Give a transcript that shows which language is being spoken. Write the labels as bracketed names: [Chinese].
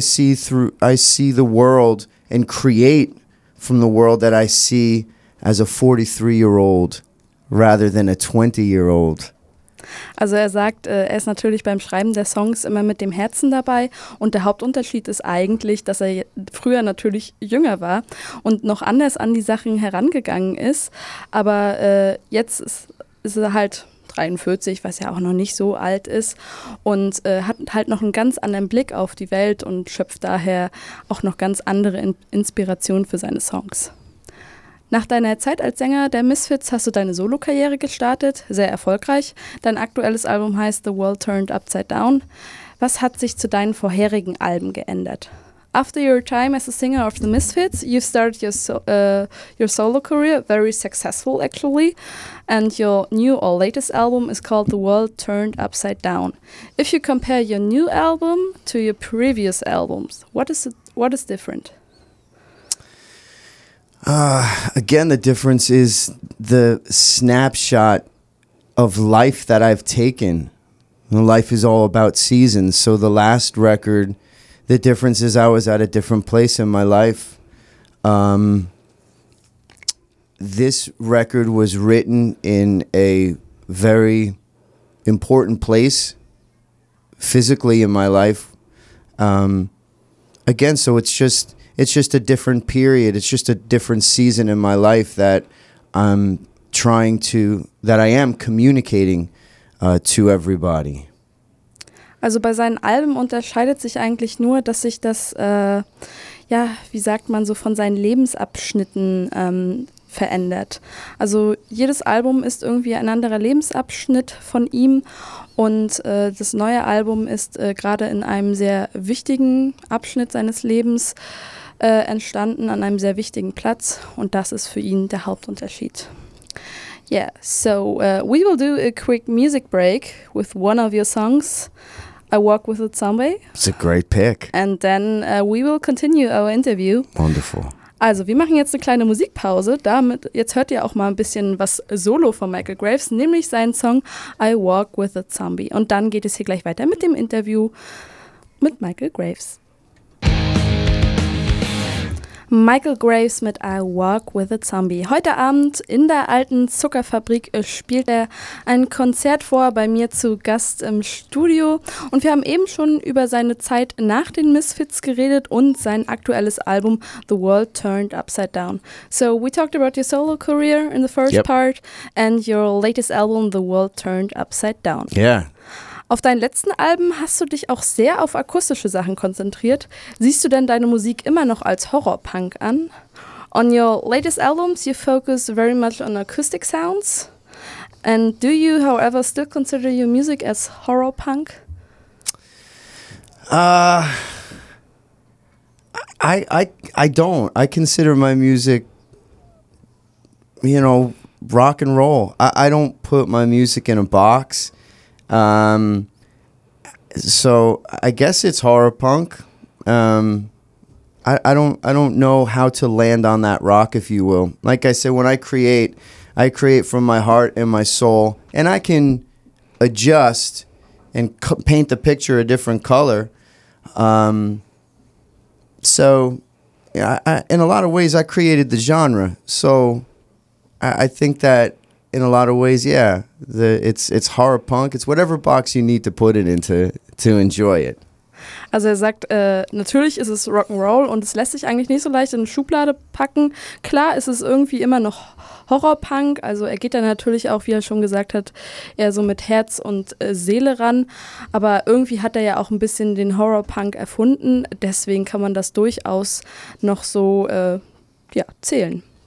[English] And so I see the world and create from the world that I see as a 43-year-old rather than a 20-year-old. [German] Also er sagt, er ist natürlich beim Schreiben der Songs immer mit dem Herzen dabei und der Hauptunterschied ist eigentlich, dass er früher natürlich jünger war und noch anders an die Sachen herangegangen ist, aber jetzt ist er halt 43, was ja auch noch nicht so alt ist und hat halt noch einen ganz anderen Blick auf die Welt und schöpft daher auch noch ganz andere Inspiration für seine Songs. Nach deiner Zeit als Sänger der Misfits hast du deine Solokarriere gestartet, sehr erfolgreich. Dein aktuelles Album heißt The World Turned Upside Down. Was hat sich zu deinen vorherigen Alben geändert? [English] After your time as a singer of the Misfits, you started your solo career very successful, actually, and your new or latest album is called The World Turned Upside Down. If you compare your new album to your previous albums, what is different? Again, the difference is the snapshot of life that I've taken. Life is all about seasons, so the last record, the difference is I was at a different place in my life. This record was written in a very important place physically in my life. So it's just a different period. It's just a different season in my life that I am communicating to everybody. [German] Also bei seinen Alben unterscheidet sich eigentlich nur, dass sich das, ja, wie sagt man so, von seinen Lebensabschnitten verändert. Also jedes Album ist irgendwie ein anderer Lebensabschnitt von ihm und das neue Album ist gerade in einem sehr wichtigen Abschnitt seines Lebens entstanden, an einem sehr wichtigen Platz, und das ist für ihn der Hauptunterschied. [English] Yeah, so we will do a quick music break with one of your songs, I Walk With It Some Way. It's a great pick. And then we will continue our interview. Wonderful. [German] Also, wir machen jetzt eine kleine Musikpause. Damit, jetzt hört ihr auch mal ein bisschen was Solo von Michael Graves, nämlich seinen Song I Walk With A Zombie. Und dann geht es hier gleich weiter mit dem Interview mit Michael Graves. Michael Graves mit I Walk With A Zombie. Heute Abend in der alten Zuckerfabrik spielt er ein Konzert vor, bei mir zu Gast im Studio. Und wir haben eben schon über seine Zeit nach den Misfits geredet und sein aktuelles Album The World Turned Upside Down. [English] So we talked about your solo career in the first part and your latest album The World Turned Upside Down. Yeah. [German] Auf deinen letzten Alben hast du dich auch sehr auf akustische Sachen konzentriert. Siehst du denn deine Musik immer noch als Horrorpunk an? [English] On your latest albums, you focus very much on acoustic sounds. And do you, however, still consider your music as horrorpunk? I don't. I consider my music, you know, rock and roll. I don't put my music in a box. So I guess it's horror punk. I don't know how to land on that rock, if you will. Like I said, when I create from my heart and my soul, and I can adjust and paint the picture a different color. So yeah, in a lot of ways I created the genre. So I think that in a lot of ways, yeah, it's horror punk. It's whatever box you need to put it into to enjoy it. [German] Also er sagt, natürlich ist es Rock'n'Roll und es lässt sich eigentlich nicht so leicht in eine Schublade packen. Klar ist es irgendwie immer noch Horrorpunk, also er geht da natürlich auch, wie er schon gesagt hat, eher so mit Herz und Seele ran. Aber irgendwie hat er ja auch ein bisschen den Horrorpunk erfunden, deswegen kann man das durchaus noch so zählen.